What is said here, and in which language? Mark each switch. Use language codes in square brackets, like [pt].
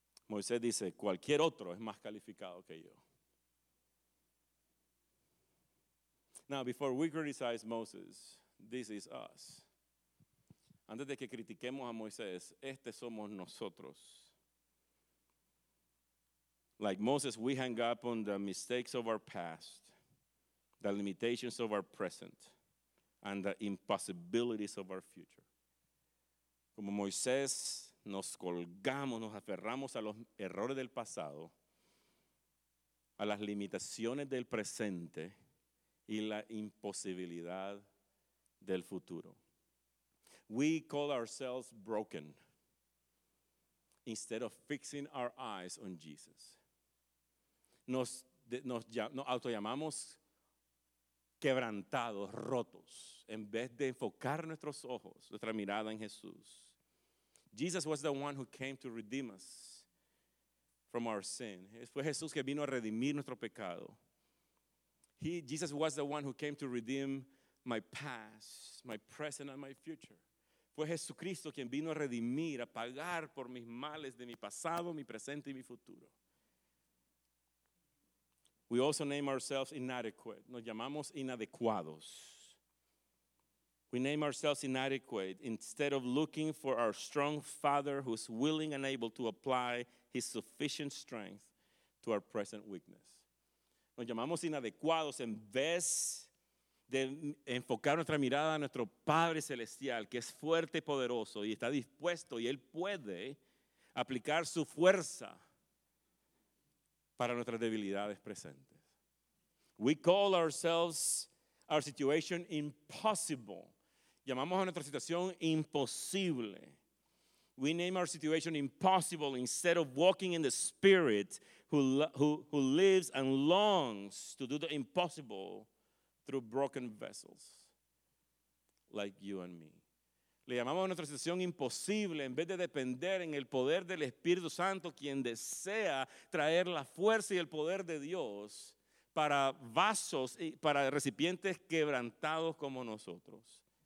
[es] Moisés dice, cualquier otro es más calificado que yo. [en] Now, before we criticize Moses, this is us. [es] Antes de que critiquemos a Moisés, este somos nosotros. [en] Like Moses, we hang up on the mistakes of our past, the limitations of our present, and the impossibilities of our future. [es] Como Moisés, nos colgamos, nos aferramos a los errores del pasado, a las limitaciones del presente y la imposibilidad del futuro. [en] We call ourselves broken instead of fixing our eyes on Jesus. [es] Nos autollamamos quebrantados, rotos, en vez de enfocar nuestros ojos, nuestra mirada en Jesús. [en] Jesus was the one who came to redeem us from our sin. [es] Fue Jesús que vino a redimir nuestro pecado. [en] Jesus was the one who came to redeem my past, my present, and my future. [es] Fue Jesucristo quien vino a redimir, a pagar por mis males de mi pasado, mi presente y mi futuro. [en] We also name ourselves inadequate. [es] Nos llamamos inadecuados. [en] We name ourselves inadequate instead of looking for our strong Father who's willing and able to apply his sufficient strength to our present weakness. [es] Nos llamamos inadecuados en vez de enfocar nuestra mirada a nuestro Padre Celestial que es fuerte y poderoso y está dispuesto y Él puede aplicar su fuerza para nuestras debilidades presentes. [en] We call ourselves our situation impossible. [es] Llamamos a nuestra situación imposible. [en] We name our situation impossible instead of walking in the Spirit who lives and longs to do the impossible through broken vessels like you and me. [es] Le llamamos a nuestra situación imposible en vez de depender en el poder del Espíritu Santo quien desea traer la fuerza y el poder de Dios para vasos y para recipientes quebrantados como nosotros.